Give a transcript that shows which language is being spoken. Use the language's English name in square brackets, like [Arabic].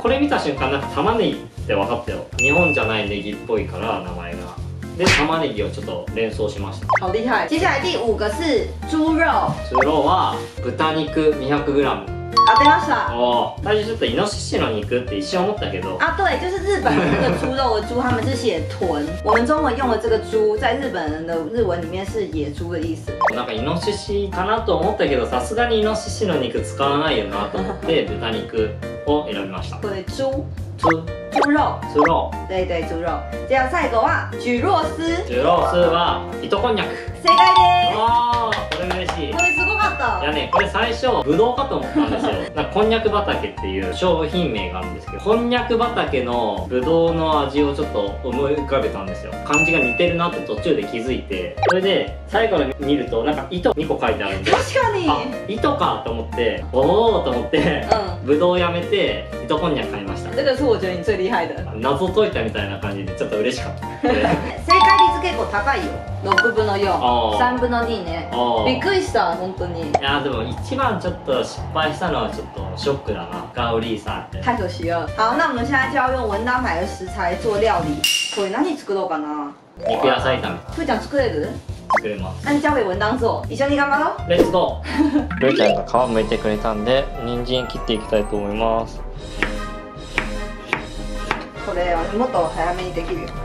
[Japanese] これ見た瞬間なんか玉ねぎって分かったよ。日本じゃないネギっぽいから名前が。で玉ねぎをちょっと連想しました。 [Chinese] 好厉害。接下来第五个是猪肉。 [Japanese] 猪肉は豚肉200g。当てました。最初ちょっとイノシシの肉って一瞬思ったけど。 [Chinese] あ、对、就是日本的那个猪肉的猪，他们是写豚。我们中文用的这个猪，在日本人的日文里面是野猪的意思。 [Japanese] なんかイノシシかなと思ったけど、さすがにイノシシの肉使わないよなと思って豚肉を選びました。 [Chinese] 对，猪。猪。猪肉。猪肉。对对，猪肉。接下来下一个は蒟蒻丝。 [Japanese] 蒟蒻丝は糸こんにゃく。正解です。わあ、これ嬉しい。これすごかった。やね。ね、これ最初ブドウかと思ったんですよ。なんかこんにゃく畑っていう商品名があるんですけど、こんにゃく畑のブドウの味をちょっと思い浮かべたんですよ。漢字が似てるなって途中で気づいて、それで最後に見るとなんか糸2個書いてあるんです。確かに、あ、糸かと思って、おおと思って、うん、ブドウやめて糸こんにゃく買いました。だからそうじゃん、 [Chinese] 最厉害 [Japanese] だ。謎解いたみたいな感じでちょっと嬉しかった。正解率結構高いよ、6分の4、3分の2ね。びっくりした、本当に。いやでも一番ちょっと失敗したのはちょっとショックだな、ガオリーさんって。 [Chinese] 太可惜了。好，那我们现在就要用文章买的食材做料理。 [Japanese] これ何作ろうかな。肉野菜炒め。ふーちゃん作れる？作れます。 [Chinese] 那你交给文章做， [Japanese] 一緒に頑張ろう。レッツゴー。ふーちゃんが皮むいてくれたんで、人参切っていきたいと思います。これもっと早めにできる。